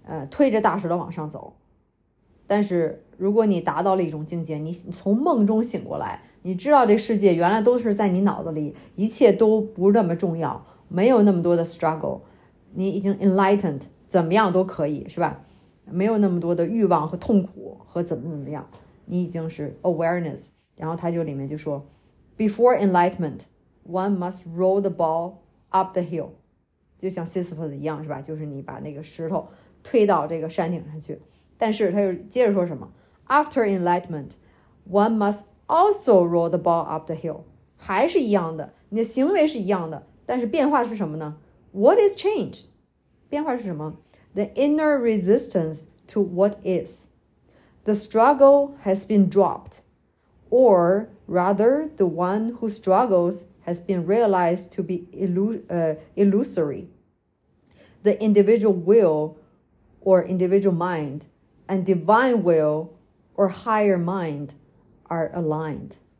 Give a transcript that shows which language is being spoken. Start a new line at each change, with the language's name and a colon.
Chinese: 推着大石头往上走。但是如果你达到了一种境界，你从梦中醒过来，你知道这世界原来都是在你脑子里，一切都不那么重要，没有那么多的 struggle， 你已经 enlightened， 怎么样都可以，是吧？没有那么多的欲望和痛苦和怎么样，你已经是 awareness。然后他就里面就说
English: before enlightenment one must roll the ball up the hill，
Chinese: 就像 Sisyphus 一样，是吧？就是你把那个石头推到这个山顶上去。但是他又接着说什么，
English: after enlightenment one must also roll the ball up the hill，
Chinese: 还是一样的，你的行为是一样的，但是变化是什么呢？
English: What is changed？
Chinese: 变化是什么？
English: The inner resistance to what is. The struggle has been dropped. Or rather, the one who struggles has been realized to be illusory. The individual will or individual mind and divine will or higher mind are aligned.